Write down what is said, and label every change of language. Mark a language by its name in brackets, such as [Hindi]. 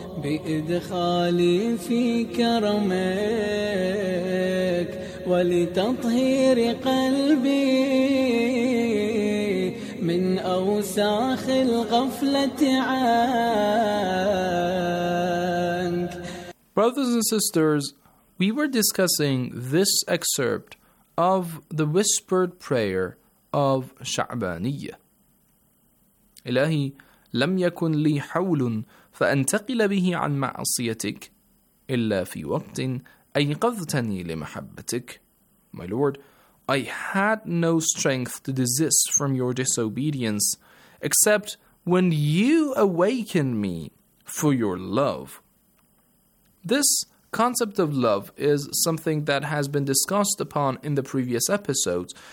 [Arabic] بإدخالي في كرمك ولتطهير قلبي من أوساخ الغفلة عنك. [English] Brothers and sisters, we were discussing this excerpt of the whispered prayer of Sha'baniyya. [Arabic] إلهي لم يكن لي حول فأنتقل به عن معصيتك إلا في وقت أيقظتني لمحبتك. [English] My Lord, I had no strength to desist from your disobedience except when you awakened me for your love. This concept of love is something that has been discussed upon in the previous episodes.